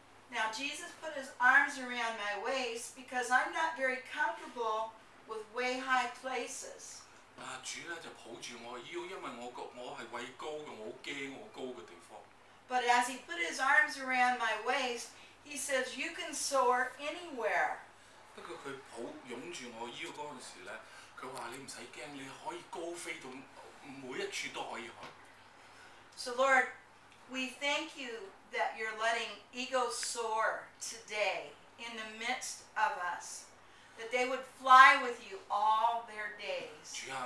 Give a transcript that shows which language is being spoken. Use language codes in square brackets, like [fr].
[en] Now Jesus put his arms around my waist because I'm not very comfortable with way high places. [zh] 主咧就抱住我腰，因為我係位高嘅，我好驚我高嘅地方。 [en] But as he put his arms around my waist, he says, you can soar anywhere. [zh] 不過佢抱擁住我腰嗰陣時咧，佢話你唔使驚，你可以高飛到每一處都可以去。 [en] So Lord, we thank you that you're letting eagles soar today in the midst of us, that they would fly with you all their days.